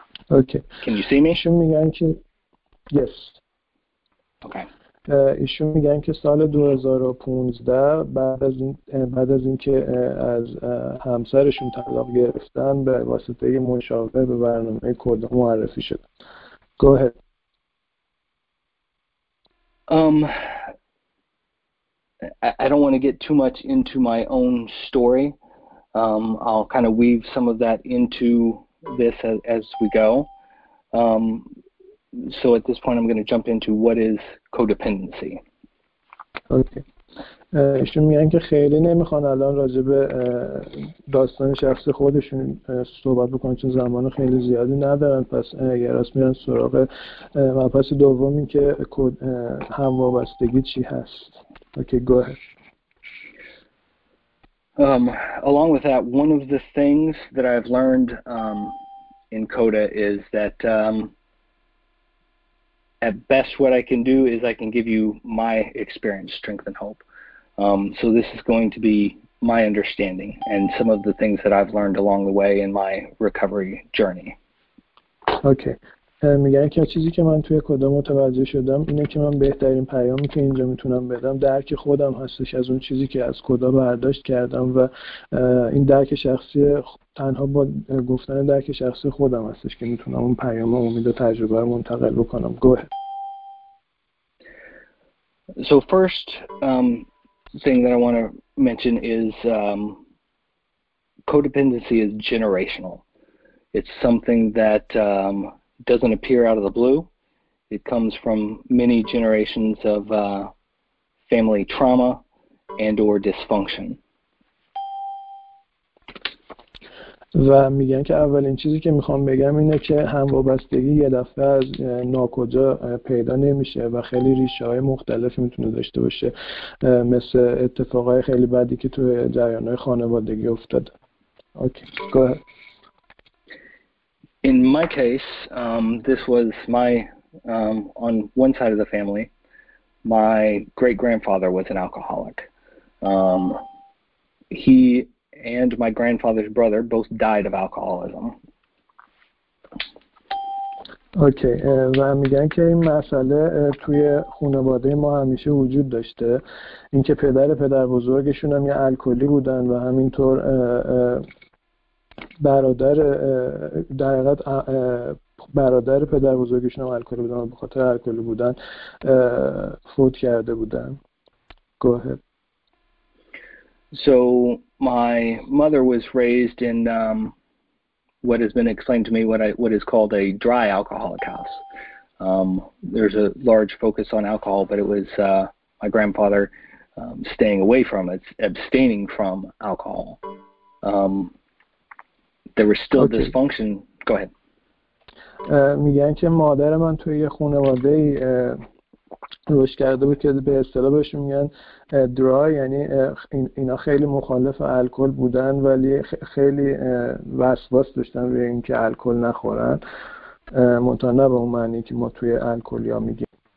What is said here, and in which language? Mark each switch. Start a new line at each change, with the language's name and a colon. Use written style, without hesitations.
English: Okay. Can you see me?
Persian: ایشون میگن که
English: yes. Okay.
Persian: ایشون میگن که سال 2015 بعد از اینکه از همسرشون طلاق گرفتن، به واسطه مشاور به برنامه کد معرفی شد.
English: Go ahead. I don't want to get too much into my own story. I'll kind of weave some of that into this as we go. So at this point, I'm going to jump into what is codependency. Okay.
Persian: ایشون میگن که خیلی نمیخوان الان راجع به داستان شخصی خودشون صحبت بکنن چون زمان خیلی زیادی ندارن، پس اگر راست میرن سراغ مبحث دومی که هموابستگی چی هست.
English: Okay, go ahead. Along with that, one of the things that I've learned in CODA is that at best what I can do is I can give you my experience, strength, and hope. So this is going to be my understanding and some of the things that I've learned along the way in my recovery journey. Okay.
Persian: میگن که چیزی که من توی کدام متوجه شدم اینه که من بهترین پیامی که اینجا میتونم بدم درک خودم هستش از اون چیزی که از کدام برداشت کردم و این درک شخصی تنها با گفتن درک شخصی خودم هستش که میتونم اون پیام و امید و تجربه رو منتقل بکنم.
English: Go ahead. So first thing that I want to mention is codependency is generational. It's something that doesn't appear out of the blue. It comes from many generations of family trauma and or dysfunction.
Persian: و میگن که اولین چیزی که میخوام بگم اینه که هم وابستگی یه دفعه از ناکجا پیدا نمیشه و خیلی ریشه های مختلفی میتونه داشته باشه، مثل اتفاقای خیلی بدی که توی جریان های خانوادگی افتاده.
English: Okay, go ahead. In my case, this was my, on one side of the family, my great-grandfather was an alcoholic. He and my grandfather's brother both died of alcoholism.
Persian: اوکی و میگن که این مسئله توی خانواده ما همیشه وجود داشته، اینکه پدر پدر بزرگشون هم یه الکلی بودن و همینطور برادر در حقیقت برادر پدر بزرگشون هم الکلی بودن و به خاطر الکلی بودن فوت کرده بودن.
English: Go ahead. So my mother was raised in what has been explained to me what is called a dry alcoholic house. There's a large focus on alcohol, but it was my grandfather staying away from it, abstaining from alcohol. There was still dysfunction. Go ahead.
Persian: میگن که مادر من توی یه خانواده روش کرده بود که به اصطلاح بهشون میگن درای، یعنی اینا خیلی مخالف الکل بودن ولی خیلی وسواس داشتن روی اینکه الکل نخورن، منتها نه به اون معنی که ما توی الکل یا میگیم.